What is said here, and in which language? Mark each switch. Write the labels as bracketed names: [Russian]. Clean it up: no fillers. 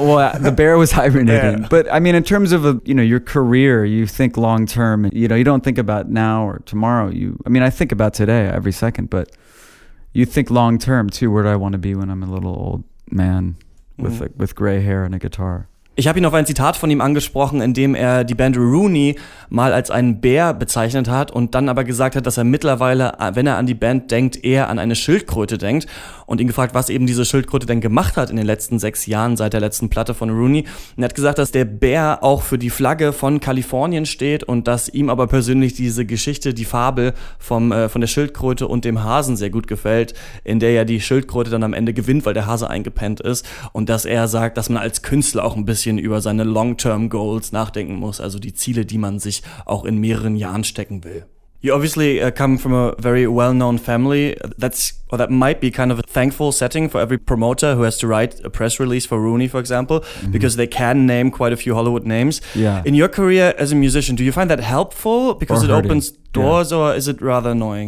[English] Well, the bear was hibernating. Yeah. But, I mean, in terms of, your career, you think long term. You know, you don't think about now or tomorrow. I think about today every second. But you think long term, too. Where do I want to be when I'm a little old man with gray hair and a guitar? [German] Ich habe hier noch ein Zitat von ihm angesprochen, in dem er die Band Rooney mal als einen Bär bezeichnet hat und dann aber gesagt hat, dass er mittlerweile, wenn er an die Band denkt, eher an eine Schildkröte denkt und ihn gefragt, was eben diese Schildkröte denn gemacht hat in den letzten 6 Jahren seit der letzten Platte von Rooney. Und er hat gesagt, dass der Bär auch für die Flagge von Kalifornien steht und dass ihm aber persönlich diese Geschichte, die Fabel von der Schildkröte und dem Hasen sehr gut gefällt, in der ja die Schildkröte dann am Ende gewinnt, weil der Hase eingepennt ist und dass er sagt, dass man als Künstler auch ein bisschen über seine Long-Term-Goals nachdenken muss, also die Ziele, die man sich auch in mehreren Jahren stecken will. [English] You obviously come from a very well-known family. That might be kind of a thankful setting for every promoter who has to write a press release for Rooney, for example, mm-hmm. because they can name quite a few Hollywood names. Yeah. In your career as a musician, do you find that helpful because it opens doors or is it rather annoying?